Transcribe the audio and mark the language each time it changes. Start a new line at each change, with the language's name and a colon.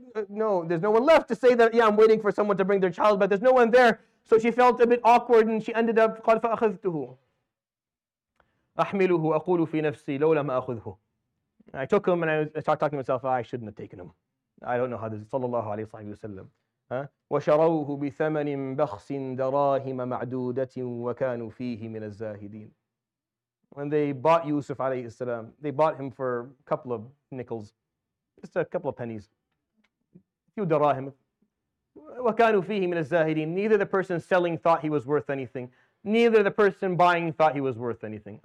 English: no, there's no one left to say that, yeah, I'm waiting for someone to bring their child, but there's no one there. So she felt a bit awkward and she ended up,
Arabic: قَالْ فَأَخَذْتُهُ أَحْمِلُهُ أَقُولُ فِي نَفْسِي لَوْ لَمْ أَخُذْهُ.
English: I took him and I started talking to myself, I shouldn't have taken him. I don't know how this is,
Arabic: صلى الله عليه وسلم. وشروه بثمن بخس دراهم معدودة وكانوا فيه من الزاهدين.
English: When they bought Yusuf عليه السلام, they bought him for a couple of nickels, just a couple of pennies, few دراهم.
Arabic: وكانوا فيه من الزاهدين.
English: Neither the person selling thought he was worth anything, neither the person buying thought he was worth anything.